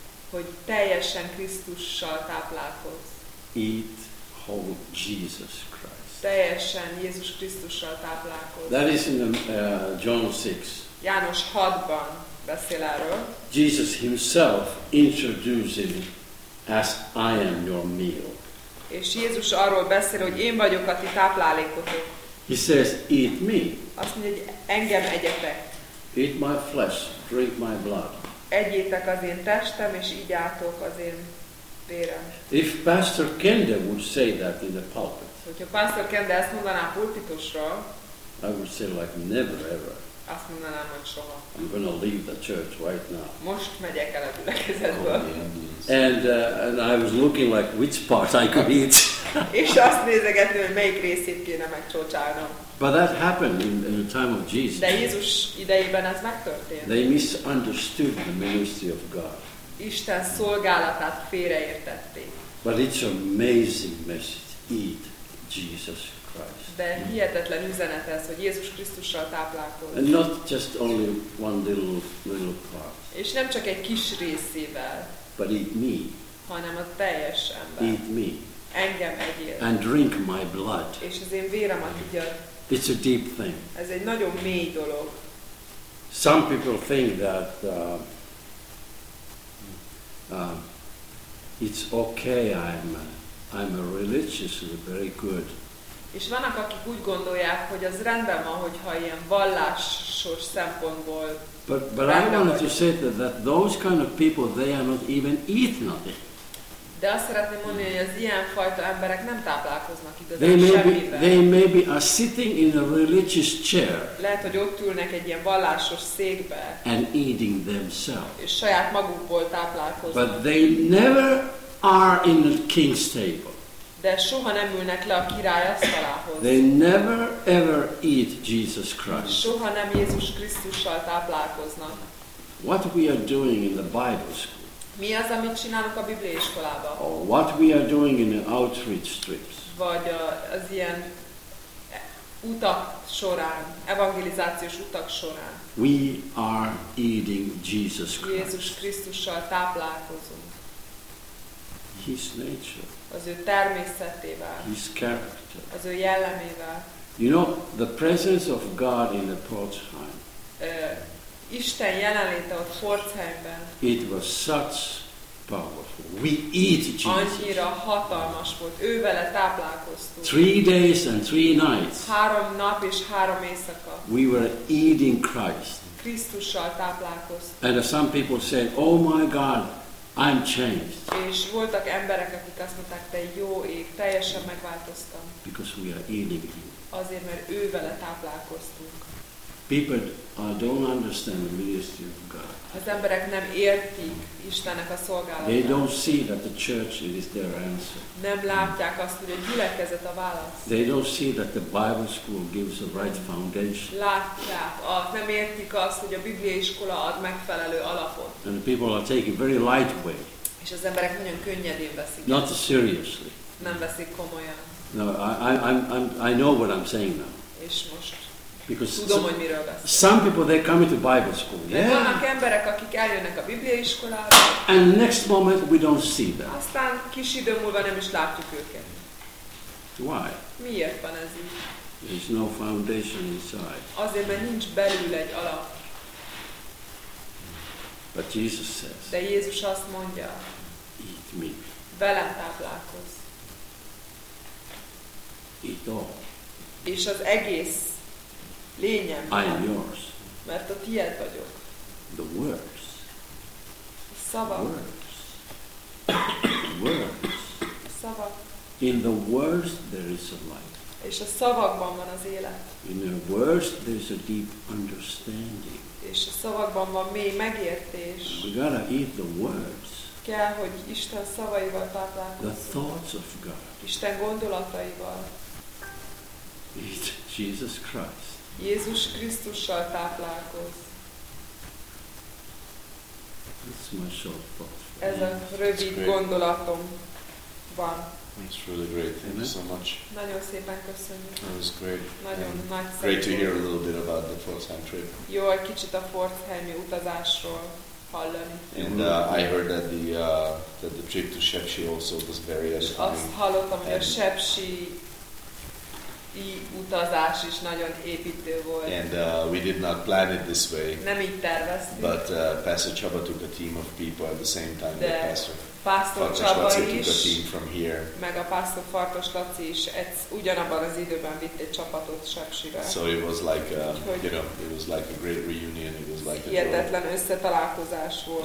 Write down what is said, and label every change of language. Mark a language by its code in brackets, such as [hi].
[hu] Hogy teljesen Krisztussal táplálkozz. [en] Eat whole Jesus Christ. [hu] Teljesen Jézus Krisztussal táplálkozz. [en] That is in John 6. [hu] János 6-ban beszél erről. [en] Jesus himself introduces him as I am your meal. [hu] És Jézus arról beszél, hogy én vagyok a ti táplálékotok. [en] He says, eat me. [hu] Azt mondja, hogy engem egyetek. [en] Eat my flesh, drink my blood. [hu] Egyétek az én testem, és igyátok az én vérem. [en] If Pastor Kende would say that in the pulpit, [hu] hogyha Pastor Kende ezt mondaná a pulpitusról, [en] I would say like never ever. [hu] Azt mondanám, hogy soha. [en] I'm going to leave the church right now. [hu] Most megyek el a gyülekezetből. [en] And I was looking like which part I could eat. [hu] És azt nézegettem, hogy melyik részét kéne megcsócsálnom. [en] But that happened in the time of Jesus. [hu] De Jézus idejében ez megtörtént. [en] They misunderstood the ministry of God. [hu] Isten szolgálatát félreértették. [en] But it's amazing message. Eat Jesus Christ. [hu] De hihetetlen üzenet ez, hogy Jézus Krisztussal táplálkozz. [en] And not just only one little part. [hu] És nem csak egy kis részével. [en] But eat me. [hu] Hanem a teljes ember. [en] Eat me. [hu] Engem egyél. [en] And drink my blood. [hu] És az én véremet igyad. [en] It's a deep thing. [hu] Ez egy nagyon mély dolog. [en] Some people think that it's okay. I'm a religiously very good. [hu] És vannak, akik úgy gondolják, hogy az rendben van, hogyha ilyen vallásos szempontból. [en] But I wanted to say that those kind of people, they are not even eat nothing. [hu] De azt szeretném mondani, hogy az ilyen fajta emberek nem táplálkoznak igazán semmiben. [en] They may be are sitting in a religious chair. [hu] Lehet, hogy ott ülnek egy ilyen vallásos székbe. [en] And eating themselves. [hu] És saját magukból táplálkoznak. [en] But they never are in the king's table. [hu] De soha nem ülnek le a király asztalához. [en] They never ever eat Jesus Christ. [hu] Soha nem Jézus Krisztussal táplálkoznak. [en] What we are doing in the Bible school. [hu] Mi az, amit csinálunk a Biblia iskolában? [en] What we are doing in the outreach trips. [hu] Vagy az ilyen utak során, evangelizációs utak során. [en] We are eating Jesus Christ. [hu] Jézus Krisztussal táplálkozunk. [en] His nature. [hu] Az ő természetével. [en] His character. [hu] Az ő jellemével. [en] You know, the presence of God in the Pforzheim. [hu] Isten jelenléte ott Pforzheimben. [en] It was such powerful. We eat Jesus. [hu] Annyira hatalmas volt. Ő vele táplálkoztunk. [en] 3 days and 3 nights. [hu] 3 nap és 3 éjszaka. [en] We were eating Christ. [hu] Krisztussal táplálkoztunk. [en] And some people said, oh my God, I'm changed. [hu] És voltak emberek, akik azt mondták, te jó ég, teljesen megváltoztam. [en] Because we are eating him. [hu] Azért, mert ő vele táplálkoztunk. [en] People don't understand the ministry of God. [hu] Az emberek nem értik Istennek a szolgálatát. [en] They don't see that the church is their answer. [hu] Nem látják azt, hogy a gyülekezet a válasz. [en] They don't see that the Bible school gives the right foundation. [hu] Látják, nem értik azt, hogy a Biblia iskola ad megfelelő alapot. [en] And the people are taking very light way. [hu] És az emberek nagyon könnyedén veszik. [en] Not seriously. [hu] Nem veszik komolyan. [en] No, I know what I'm saying now. [hu] És most. [en] Because [hu] tudom, [en] some people they come into Bible school. Yeah. [hu] Vannak emberek, akik eljönnek a Biblia iskolába. [en] And next moment we don't see them. [hu] Aztán kis idő múlva nem is látjuk őket. [en] Why? [hu] Miért van ez így? [en] There's no foundation inside. [hu] Azért, mert nincs belül egy alap. [en] But Jesus says. [hu] De Jézus azt mondja. [en] Eat me. [hu] Velem táplálkozz. [en] Eat all. [hu] És az egész. Lényem, [en] I am yours. [hu] Mert a tiéd vagyok. [en] The words. [hu] A szavak. [en] Words. Words. [hu] A szavak. [en] In the words there is a life. [hu] És a szavakban van az élet. [en] In the words there is a deep understanding. [hu] És a szavakban van mély megértés. [en] We gotta eat the words. [hu] Kell, hogy Isten szavaival táplálkozzunk. [en] The thoughts of God. [hu] Isten gondolataival. [en] Eat Jesus Christ. [hu] Jézus Krisztussal táplálkoz. [en] This is my short thought. [hu] Ez a rövid gondolatom. van. [en] It's really great. Thank you so much. [hu] Nagyon szépen köszönjük. [en] That was great. [hu] Nagyon nagy szép. [en] Great to hear a little bit about the Pforzheim trip. [hu] Jó, egy kicsit a Pforzheim-i utazásról hallani. [en] And I heard that the trip to Sepsi also was very exciting. [hu] Azt hallottam, hogy a Sepsi utazás is nagyon építő volt. [en] And we did not plan it this way. [hu] Nem így terveztük. [en] But Pastor Csaba took a team of people at the same time that [hu] Pastor Csaba [en] took a team from here. [hu] Meg a Pastor Fartos Laci is ugyanabban az időben vitt egy csapatot Sepsire. [en] So it was like it was like a great reunion. It was like a [hu] hihetetlen összetalálkozás volt.